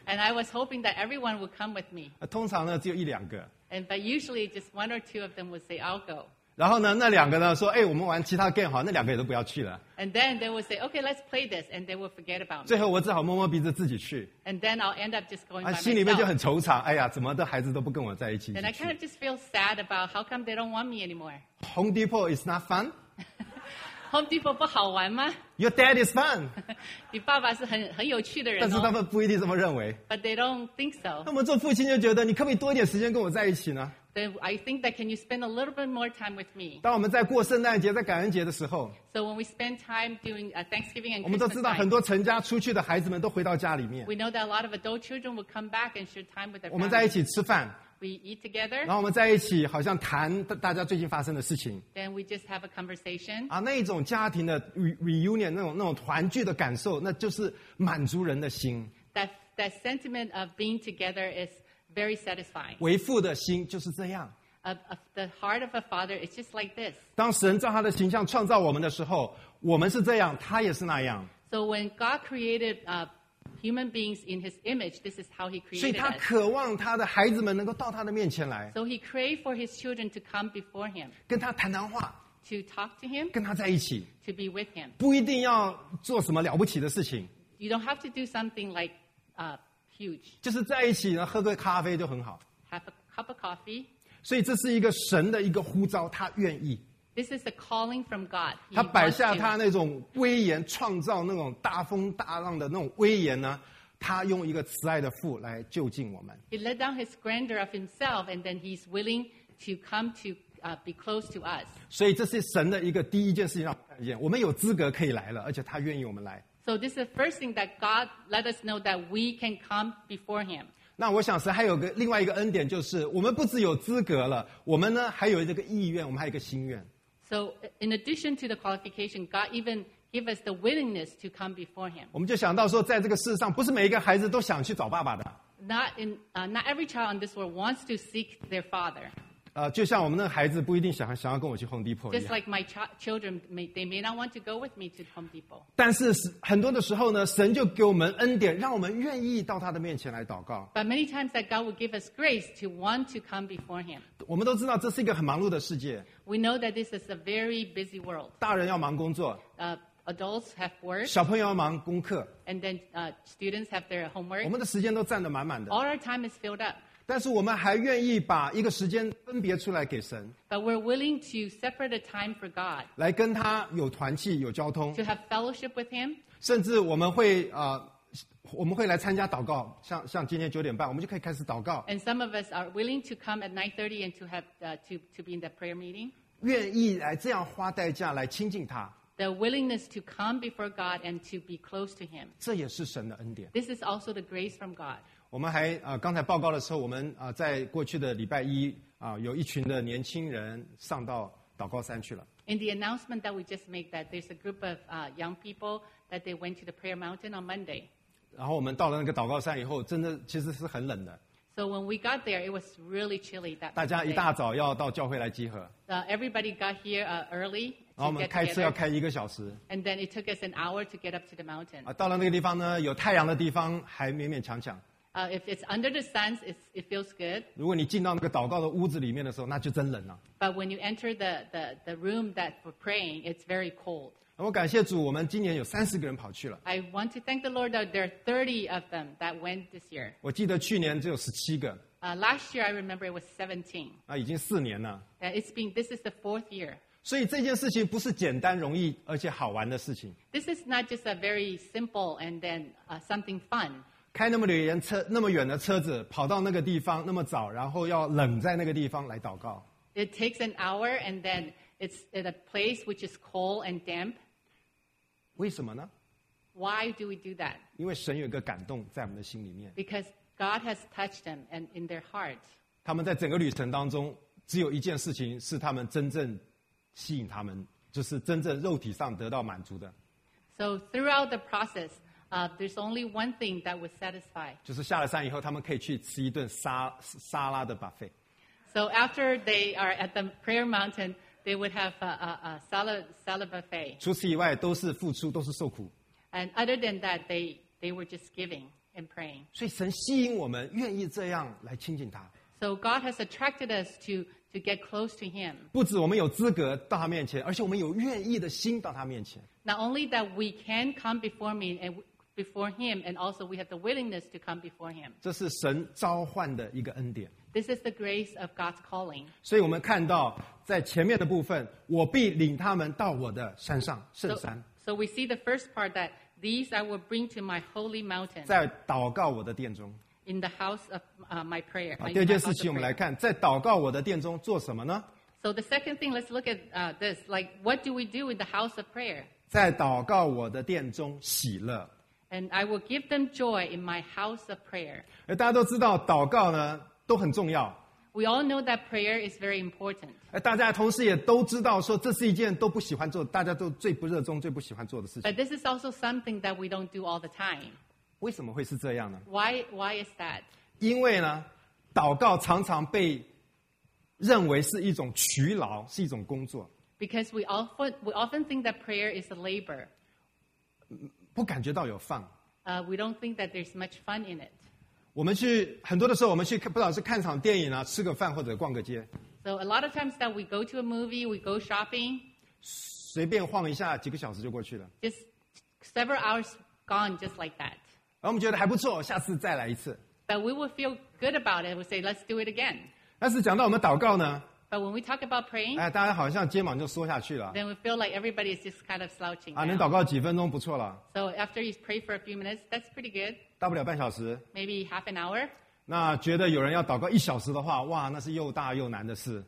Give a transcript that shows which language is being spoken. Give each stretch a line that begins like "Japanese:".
English: And I was hoping that everyone would come with me.
Chinese: 通常呢，只有一两个。
English: And but usually just one or two of them would say, "I'll go."
Chinese: 然后呢，那两个呢说：“哎，我们玩其他 game 好。”那两个也都不要去了。
English: And then they would say, "Okay, let's play this," and they would forget about me.
Chinese: 最后我只好摸摸鼻子自己去。
English: And then I'll end up just going by myself.
Chinese: 心里面就很惆怅。哎呀，怎么的孩子都不跟我在一起？
English: And I kind of just feel sad about how come they don't want me anymore. Home Depot is not fun.
Chinese: Home Depot 不好玩吗
English: ？Your dad is fun.
Chinese: 你爸爸是很有趣的人、哦。但是他们不一定这么认为。
English: But they don't think so.
Chinese: 那我们做父亲就觉得，你可不可以多一点时间跟我在一起呢
English: ？Then I think that can you spend a little bit more time with me?
Chinese: 当我们在过圣诞节、在感恩节的时候
English: ，So when we spend time doing Thanksgiving and Christmas,
Chinese: 我们都知道很多成家出去的孩子们都回到家里面。
English: We know that a lot of adult children will come back and share time with their families.
Chinese: 我们在一起吃饭。
English: We eat together.
Chinese: 然后我们在一起，好像谈大家最近发生的事情。
English: Then we just have a conversation.
Chinese: 啊，那一种家庭的 reunion， 那种团聚的感受，那就是满足人的心。
English: That sentiment of being together is very satisfying.
Chinese: 为父的心就是这样。
English: The heart of a father is just like this.
Chinese: 当神照他的形象创造我们的时候，我们是这样，他也是那样。
English: So when God created Human beings in his image, this is how he created us.
Chinese: 所以他渴望他的孩子们能够到他的面前来。
English: So he craved for his children to come before him.
Chinese: 跟他谈谈话。
English: To talk to him.
Chinese: 跟他在一起。
English: To be with him.
Chinese: 不一定要做什么了不起的事情。
English: You don't have to do something like, huge.
Chinese: 就是在一起呢，喝个咖啡就很好。
English: Have a cup of coffee.
Chinese: 所以这是一个神的一个呼召，他愿意。
English: This is a calling from God.
Chinese: 他摆下他那种威严，创造那种大风大浪的那种威严呢？他用一个慈爱的父来就近我们。
English: He let down his grandeur of himself, and then he's willing to come to be close to us.
Chinese: 所以这是神的一个第一件事情让我们看见，我们有资格可以来了，而且他愿意我们来。
English: So this is the first thing that God let us know that we can come before Him.
Chinese: 那我想是还有个另外一个恩典，就是我们不只有资格了，我们呢还有这个意愿，我们还有一个心愿。
English: So in addition to the qualification, God even gave us the willingness to come before Him.
Chinese: 我们就想到说，在这个世上，不是每一个孩子都想去找爸爸的。
English: Not every child on this world wants to seek their father.
Chinese: 就像我们的孩子不一定想要跟我去 Home Depot 一样。
English: Just like my children, they may not want to go with me to Home Depot.
Chinese: 但是很多的时候呢，神就给我们恩典，让我们愿意到他的面前来祷告。
English: But many times that God will give us grace to want to come before Him.
Chinese: 我们都知道这是一个很忙碌的世界。
English: We know that this is a very busy world.
Chinese: 大人要忙工作。
English: Adults have work.
Chinese: 小朋友要忙功课。
English: And then students have their homework.
Chinese: 我们的时间都占得满满的。
English: All our time is filled up.
Chinese: 但是我们还愿意把一个时间分别出来给神。
English: But we're willing to separate a time for God.
Chinese: 来跟他有团契，有交通。
English: To have fellowship with Him.
Chinese: 甚至我们会我们会来参加祷告，像今天九点半，我们就可以开始祷告。
English: And some of us are willing to come at 9:30 and to have to be in the prayer meeting.
Chinese: 愿意来这样花代价来亲近他。
English: The willingness to come before God and to be close to Him.
Chinese: 这也是神的恩典。
English: This is also the grace from God.
Chinese: 我们还刚才报告的时候，我们在过去的礼拜一有一群的年轻人上到祷告山去了。
English: In the announcement that we just made, that there's a group of young people that they went to the prayer mountain on Monday.
Chinese: 然后我们到了那个祷告山以后，真的其实是很冷的。
English: So when we got there, it was really chilly.
Chinese: 大家一大早要到教会来集合。
English: Everybody got here early.
Chinese: 然后我们开车要开一个小时。
English: And then it took us an hour to get up to the mountain.
Chinese: 到了那个地方呢，有太阳的地方还勉勉强强。
English: If it's under the sun, it feels good.
Chinese: 如果你进到那个祷告的屋子里面的时候，那就真冷了。
English: But when you enter the room that for praying, it's very cold.
Chinese: 我感谢主，我们今年有三十个人跑去了。
English: I want to thank the Lord that there are 30 of them that went this year.
Chinese: 我记得去年只有十七个。
English: Last year I remember it was 17.
Chinese: 那已经四年了。
English: This is the fourth year.
Chinese: 所以这件事情不是简单、容易而且好玩的事情。
English: This is not just a very simple and then something fun.
Chinese: 开那么远的车子跑到那个地方那么早，然后要冷在那个地方来祷告。
English: It takes an hour and then. It's at a place which is cold and damp.
Chinese: 为什么呢?
English: Why do we do that?
Chinese: 因为神有一个感动在我们的心里面。
English: Because God has touched them and in their heart.
Chinese: 他们在整个旅程当中，只有一件事情是他们真正吸引他们，就是真正肉体上得到满足的。
English: So throughout the process, there's only one thing that would satisfy.
Chinese: 就是下了山以后，他们可以去吃一顿沙拉的 buffet.
English: So after they are at the prayer mountain,They would have a salad buffet.
Chinese: 除此以外，都是付出，都是受苦。
English: And other than that, they were just giving and praying.
Chinese: 所以神吸引我们，愿意这样来亲近他。
English: So God has attracted us to get close to Him.
Chinese: 不止我们有资格到他面前，而且我们有愿意的心到他面前。
English: Not only that we can come before me and before Him, and also we have the willingness to come before Him.
Chinese: 这是神召唤的一个恩典。
English: This is the grace of God's calling.
Chinese: 所以我们看到在前面的部分，我必领他们到我的山上圣山。
English: So we see the first part that these I will bring to my holy mountain.
Chinese: 在祷告我的殿中。
English: In the house of my prayer.
Chinese: 第二件事情我们来看，在祷告我的殿中做什么呢？
English: So the second thing, let's look at this. Like, what do we do in the house of prayer?
Chinese: 在祷告我的殿中喜乐。
English: And I will give them joy in my house of prayer.
Chinese: 大家都知道祷告呢都很重要。
English: We all know that prayer is very important.
Chinese: 大家同时也都知道说这是一件都不喜欢做，大家都最不热衷、最不喜欢做的事情。
English: But this is also something that we don't do all the time.
Chinese: 为什么会是这样呢？
English: Why is that?
Chinese: 因为呢，祷告常常被认为是一种劬劳，是一种工作。
English: Because we often think that prayer is a labor.
Chinese: 不感觉到有放。
English: we don't think that there's much fun in it.
Chinese: 我们去很多的时候，我们去不管是看场电影啊，吃个饭或者逛个街。
English: So a lot of times that we go to a movie, we go shopping.
Chinese: 随便晃一下，几个小时就过去了。
English: Just several hours gone, just like that.
Chinese: 然后我们觉得还不错，下次再来一次。
English: But we will feel good about it. We say, let's do it again.
Chinese: 但是讲到我们祷告呢？
English: But when we talk about praying,
Chinese: 哎，大家好像肩膀就缩下去了。
English: Then we feel like everybody is just kind of slouching.
Chinese: 啊，能祷告几分钟不错了。
English: So after you pray for a few minutes, that's pretty good.
Chinese: 大不了半小时。
English: Maybe half an hour.
Chinese: 那觉得有人要祷告一小时的话，哇，那是又大又难的事。